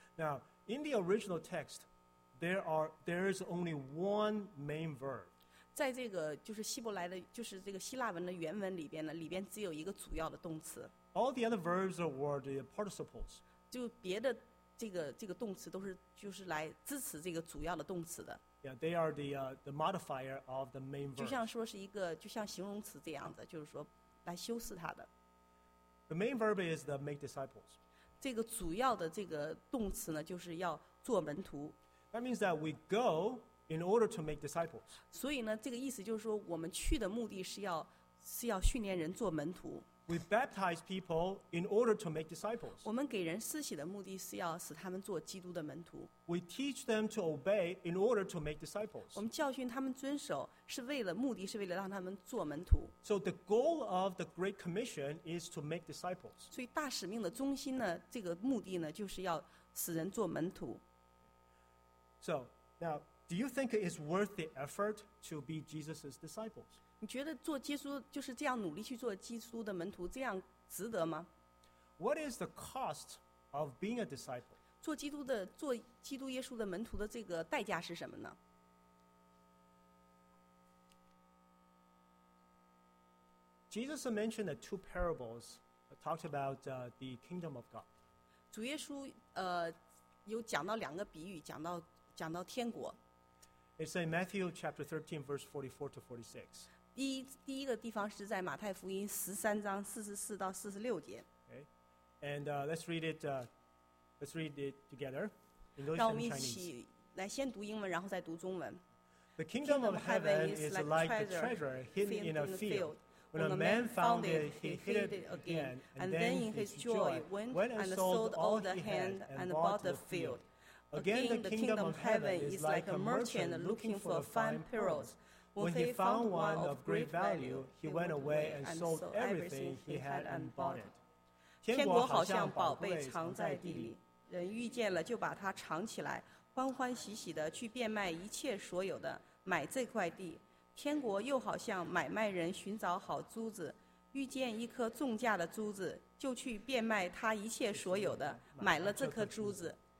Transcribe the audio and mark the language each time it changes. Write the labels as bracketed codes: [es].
[en] Now, in the original text, there is only one main verb. [zh] 在这个就是希伯来的，就是这个希腊文的原文里边呢，里边只有一个主要的动词。 [en] All the other verbs were the participles. [zh] 就别的这个动词都是就是来支持这个主要的动词的。 [en] Yeah, they are the modifier of the main verb. [zh] 就像说是一个就像形容词这样子，就是说来修饰它的。 [en] The main verb is the make disciples. [zh] 这个主要的这个动词呢，就是要做门徒。 [en] That means that we go. In order to make disciples. [zh] 所以呢，这个意思就是说，我们去的目的是要训练人做门徒。 [en] We baptize people in order to make disciples. [zh] 我们给人施洗的目的是要使他们做基督的门徒。 [en] We teach them to obey in order to make disciples. [zh] 我们教训他们遵守是为了目的是为了让他们做门徒。 [en] So the goal of the Great Commission is to make disciples. [zh] 所以大使命的中心呢，这个目的呢，就是要使人做门徒。 [en] So now. Do you think it's worth the effort to be Jesus' disciples? [zh] 你觉得做基督就是这样努力去做基督的门徒，这样值得吗？ [en] What is the cost of being a disciple? [zh] 做基督的做基督耶稣的门徒的这个代价是什么呢？ [en] Jesus mentioned the two parables, talked about the kingdom of God. [zh] 主耶稣有讲到两个比喻，讲到天国。 [en] It's in Matthew chapter 13, verse 44 to 46. [zh] 第一个地方是在马太福音十三章四十四到四十六节。 [en] Okay, and let's read it together. English [zh] 让我们一起来先读英文，然后再读中文。 [en] The kingdom of heaven is like the treasure hidden in a field. When a man found it, he hid it again, and then in his joy went and sold all the land and bought the field. Again, the kingdom of heaven is like a merchant looking for fine pearls. When he found one of great value, he went away and sold everything he had and bought it. [zh] 天国好像宝贝藏在地里，人遇见了就把它藏起来，欢欢喜喜地去变卖一切所有的，买这块地。天国又好像买卖人寻找好珠子，遇见一颗重价的珠子，就去变卖他一切所有的，买了这颗珠子。